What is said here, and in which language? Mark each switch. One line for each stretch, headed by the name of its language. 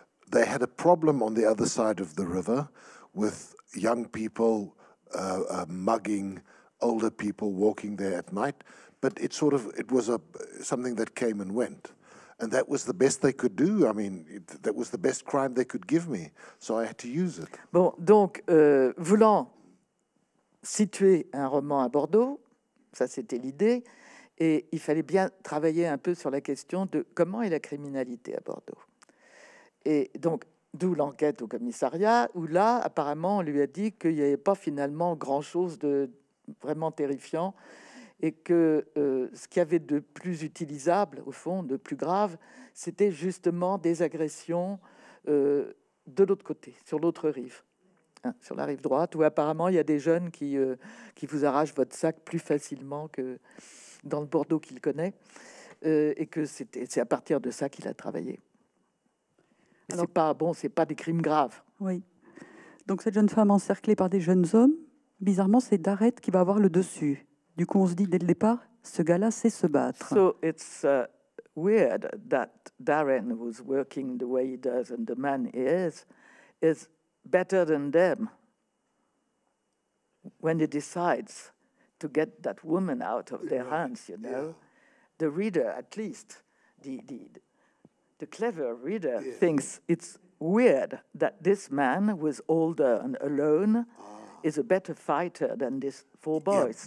English: They had a problem on the other side of the river with young people mugging older people walking there at night. But it sort of, it was a something that came and went. And that was the best they could do. I mean, that was the best crime they could give me. So I had to use it.
French: Bon, donc, voulant situer un roman à Bordeaux, ça c'était l'idée, et il fallait bien travailler un peu sur la question de comment est la criminalité à Bordeaux. Et donc, d'où l'enquête au commissariat, où là, apparemment, on lui a dit qu'il n'y avait pas finalement grand-chose de vraiment terrifiant, et que ce qu'il y avait de plus utilisable, au fond, de plus grave, c'était justement des agressions de l'autre côté, sur l'autre rive, hein, sur la rive droite, où apparemment il y a des jeunes qui vous arrachent votre sac plus facilement que dans le Bordeaux qu'il connaît, et que c'est à partir de ça qu'il a travaillé. Alors, c'est pas bon, c'est pas des crimes graves. Oui. Donc cette jeune femme encerclée par des jeunes hommes, bizarrement, c'est Darrett qui va avoir le dessus. Du coup, on se dit dès le départ, ce gars-là sait se battre.
English: So it's weird that Darren, who's working the way he does and the man he is better than them when he decides to get that woman out of their hands, you know. The reader, at least, the clever reader thinks it's weird that this man was older and alone is a better fighter than these four boys.